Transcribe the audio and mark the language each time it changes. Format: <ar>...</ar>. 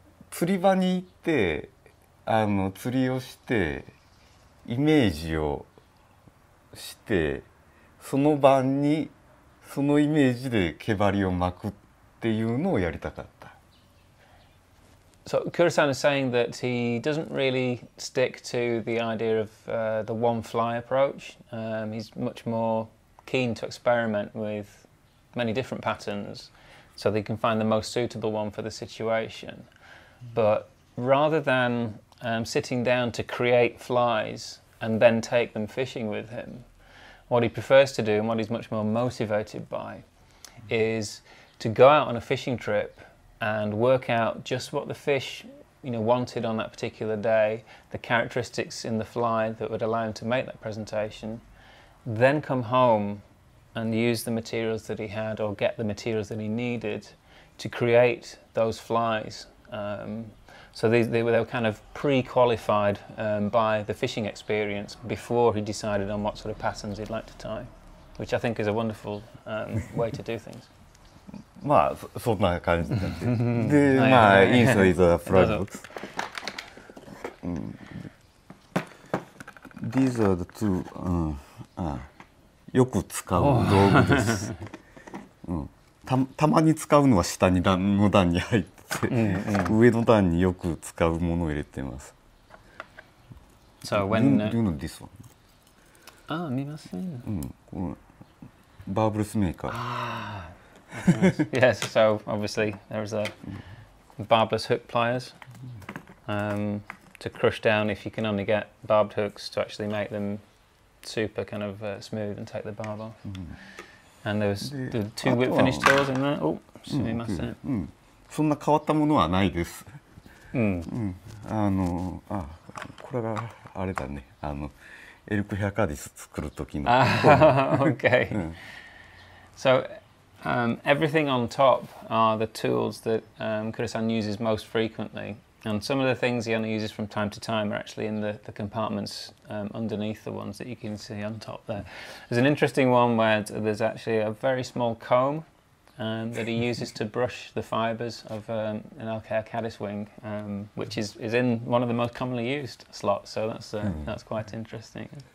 <ja>釣り場に行ってあの釣りをしてイメージをして、その晩にそのイメージで毛針を巻くっていうのをやりたかった。</ja> <en>So Kura-san is saying that he doesn't really stick to the idea of the one fly approach. He's much more keen to experiment with many different patterns so that he can find the most suitable one for the situation. But rather than sitting down to create flies and then take them fishing with him, what he prefers to do and what he's much more motivated by is to go out on a fishing trip and work out just what the fish, you know, wanted on that particular day, the characteristics in the fly that would allow him to make that presentation, then come home and use the materials that he had or get the materials that he needed to create those flies. So they were kind of pre-qualified by the fishing experience before he decided on what sort of patterns he'd like to tie, which I think is a wonderful way to do things.</en> <ja>まあ、そんな感じで、まあ、インサイドはプラグ。</ja> <en>These are the two、</en> <ja>よく使う道具です。たまに使うのは下に段の段に入って、上の段によく使うものを入れてます。</ja> <en>So when do you know this one?</en> <ja>ああ、見ません。このバーブルスメーカー。</ja> <en>Yes, so obviously there is a barbless hook pliers to crush down if you can only get barbed hooks to actually make them super kind of smooth and take the barb off. And there's the two whip finish tools in there. Oh, sorry, that's it.</en> <ja>そんな変わったものはないです。これがあれだね。エルクヘアカーディス作る時の。</ja> <en>Okay. So. Everything on top are the tools that Kura-san uses most frequently, and some of the things he only uses from time to time are actually in the compartments underneath the ones that you can see on top there. There's an interesting one where there's actually a very small comb that he uses to brush the fibres of an Alcaea caddis wing, which is in one of the most commonly used slots, so that's quite interesting.</en>